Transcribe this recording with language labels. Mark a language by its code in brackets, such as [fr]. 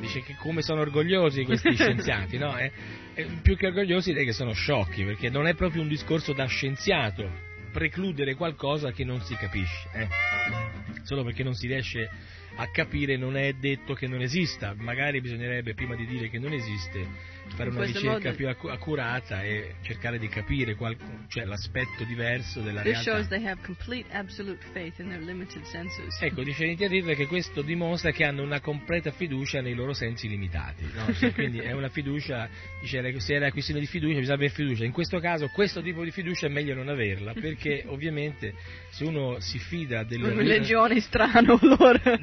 [it] Dice che come sono orgogliosi questi scienziati, no? Più che orgogliosi è che sono sciocchi, perché non è proprio un discorso da scienziato precludere qualcosa che non si capisce. Solo perché non si riesce a capire non è detto che non esista. Magari bisognerebbe, prima di dire che non esiste, fare una ricerca più accurata e cercare di capire cioè l'aspetto diverso della realtà. [en] This shows they have complete absolute faith in their limited senses. [it] Ecco, dice l'iniziativa che questo dimostra che hanno una completa fiducia nei loro sensi limitati, no? Quindi è una fiducia, dice, se era questione di fiducia bisogna avere fiducia. In questo caso questo tipo di fiducia è meglio non averla, perché ovviamente se uno si fida delle religioni strano loro